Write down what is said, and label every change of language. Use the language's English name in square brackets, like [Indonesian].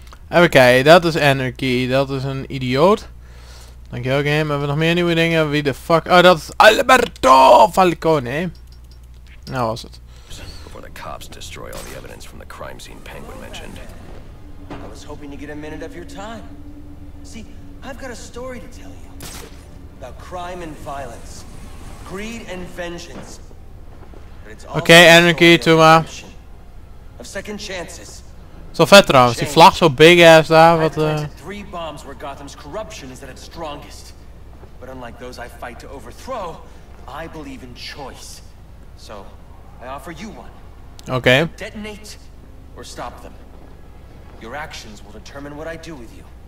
[Dutch] Even kijken, dat is anarchy. Dat is een idioot. Dankjewel, game. Hebben we nog meer nieuwe dingen? Wie de fuck? Oh, dat is Alberto Falcone. Nou was het. [English] Before the cops destroy all the evidence from the crime scene Penguin mentioned. I was hoping to get a minute of your time. See, I've got a story to tell you. About crime and violence, greed and vengeance. But it's all okay, anarchy, Tuma. Of second chances. [Dutch] So vet trouwens, die vlag zo [English] big ass [Dutch] daar. Wat? [English] Three bombs where Gotham's corruption is at its strongest. But unlike those I fight to overthrow, I believe in choice. So I offer you one. Okay. Detonate or stop them. Your actions will determine what I do with you.